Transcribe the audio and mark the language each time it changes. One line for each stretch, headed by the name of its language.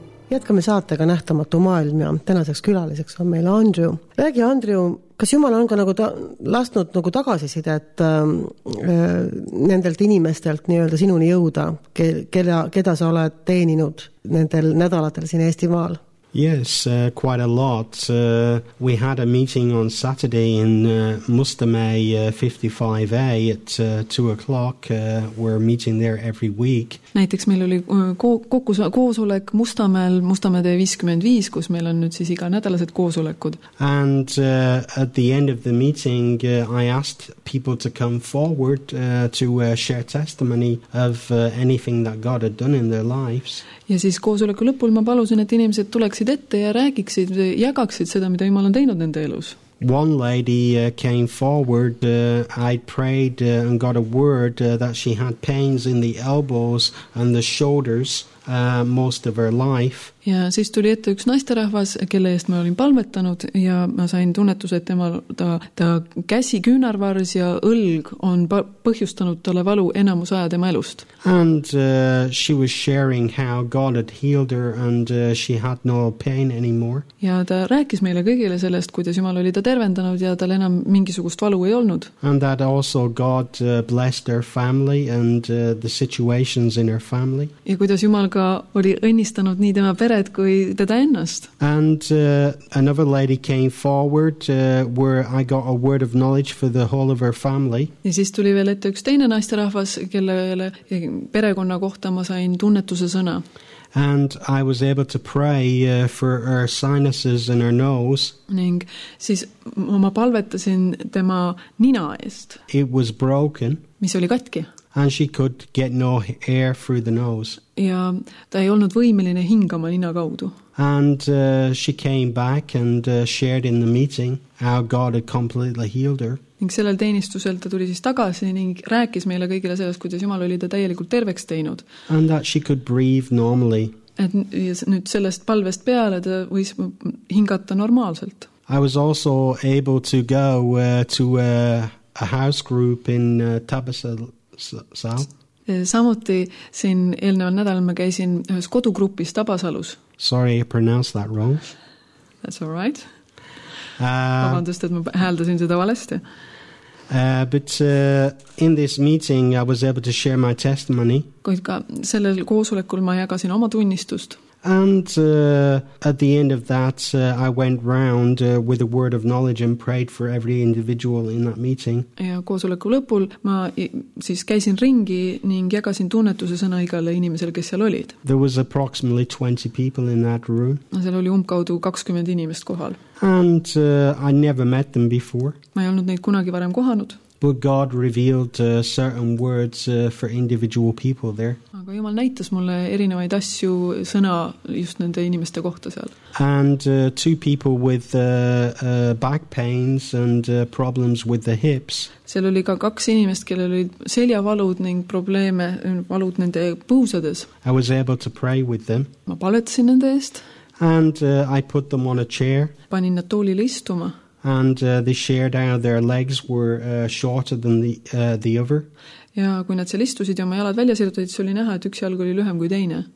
Estonian: Jätkame saatega Nähtamatu maailm ja tänaseks külaliseks on meil Andrew. Räägi, Andrew, kas Jumal on ka nagu lasknud nagu tagasisidet nendelt inimestelt nii-öelda sinuni jõuda, keda sa oled teeninud nendel nädalatel siin Eestimaal?
English: Yes, quite a lot. We had a meeting on Saturday in Mustame 55A at 2 o'clock. We're meeting there every week.
Estonian: Näiteks meil oli koosolek Mustamäel, Mustamäe 55, kus meil on nüüd siis iga nädalased koosolekud.
English: And at the end of the meeting, I asked people to come forward to share testimony of anything that God had done in their lives.
Estonian: Ja siis koosoleku lõpul ma palusin, et inimesed tuleksid ette ja räägiksid, jagaksid seda, mida Jumal on teinud nende elus.
English: One lady came forward, I prayed and got a word that she had pains in the elbows and the shoulders most of her life.
Estonian: Ja siis tuli ette üks naisterahvas, kelle eest ma olin palmetanud ja ma sain tunnetuse, et ta käsi küünarvars ja õlg on põhjustanud tale valu enamus aja tema elust.
English: And she was sharing how God had healed her and she had no pain anymore.
Estonian: Ja ta rääkis meile kõigile sellest, kuidas Jumal oli ta tervendanud ja tal enam mingisugust valu ei olnud.
English: And that also God blessed her family and the situations in her family.
Estonian: Ja kuidas Jumal ka oli õnnistanud nii tema pered kui teda ennast.
English: And another lady came forward where I got a word of knowledge for the whole of her family.
Estonian: Ja siis tuli veel ette üks teine naisterahvas, kelle perekonna kohta ma sain tunnetuse sõna.
English: And I was able to pray for her sinuses and her nose.
Estonian: Ning siis ma palvetasin tema nina eest.
English: It was broken.
Estonian: Mis oli katki.
English: And she could get no air through the nose.
Estonian: Ja ta ei olnud võimeline hingama nina kaudu.
English: And she came back and shared in the meeting how God had completely healed her.
Estonian: Ning sellel teenistusel ta tuli siis tagasi ning rääkis meile kõigile sellest, kuidas Jumal oli ta täielikult terveks teinud.
English: And that she could breathe normally.
Estonian: Et nüüd sellest palvest peale ta võis hingata normaalselt.
English: I was also able to go to a house group in Tabasalu.
Estonian: Samuti siin eelneval nädalal ma käisin ühes kodugrupis Tabasalus.
English: Sorry, I pronounced that wrong. That's all right.
Estonian: Vabandust, et ma hääldasin seda valesti.
English: But in this meeting I was able to share my testimony.
Estonian: Kuid ka sellel koosolekul ma jagasin oma tunnistust.
English: And at the end of that I went round with a word of knowledge and prayed for every individual in that meeting.
Estonian: Ja koosoleku lõpul ma siis käisin ringi ning jagasin tunnetuse sõna igale inimesele, kes seal olid.
English: There was approximately 20 people in that room.
Estonian: Ja seal oli umbkaudu 20 inimest kohal.
English: And I never met them before.
Estonian: Ma ei olnud neid kunagi varem kohanud.
English: But God revealed certain words for individual people there.
Estonian: Aga Jumal näitas mulle erinevaid asju sõna just nende inimeste kohta seal.
English: And two people with back pains and problems with the hips.
Estonian: Seal oli ka kaks inimest, kellel olid seljavalud ning probleeme valud nende põusades.
English: I was able to pray with them.
Estonian: Ma palvetasin nende eest.
English: And I put them on a chair.
Estonian: Panin nad toolile istuma.
English: And they shared how their legs were shorter than the other.
Estonian: Ja kui nad seal istusid ja oma jalad välja sirutasid, siis oli näha, et üks jalg oli lühem kui teine.